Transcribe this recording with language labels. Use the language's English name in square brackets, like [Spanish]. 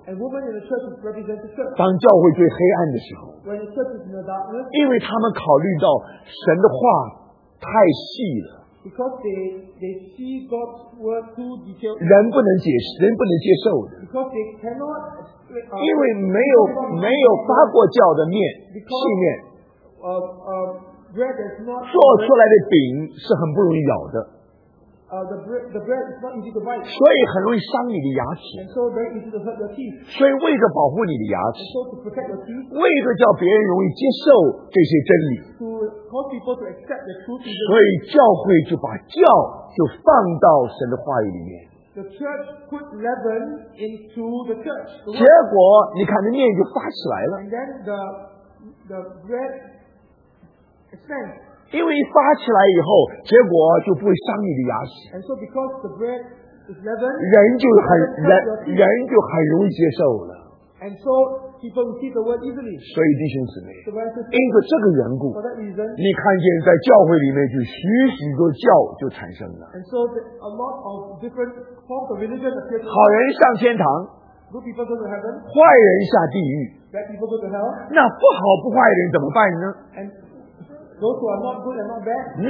[Chinese] 当教会最黑暗的时候，因为他们考虑到神的话太细了，人不能解释，人不能接受的，因为没有发过酵的面细面，做出来的饼是很不容易咬的。 [English] the bread is not easy to bite. And so very easy to hurt your teeth. [Chinese] 所以为着保护你的牙齿, [English] and so to protect your teeth. [Chinese] 为着叫别人容易接受这些真理, [English] to cause people to accept the truth. [Chinese] 所以教会就把教就放到神的话语里面。 [English] The church put leaven into the church. [Chinese] 结果你看那面就发起来了。 [English] And then the bread expands. [Chinese] 因为发起来以后, 结果就不会伤你的牙齿。 [English] And so because the bread is leavened, [Chinese] 人就很容易接受了。 [English] And so people receive the word easily. [Chinese] 所以弟兄姊妹, 因着这个缘故, [English] for that reason, [Chinese] 你看见在教会里面就许许多教就产生了。 [English] And so a lot of different forms of religion appear to be. [Chinese] 好人上天堂, [English] good people go to heaven, [Chinese] 坏人下地狱, [English] bad people go to hell. [Chinese] 那不好不坏的人怎么办呢? [English] And those who are not good and not bad,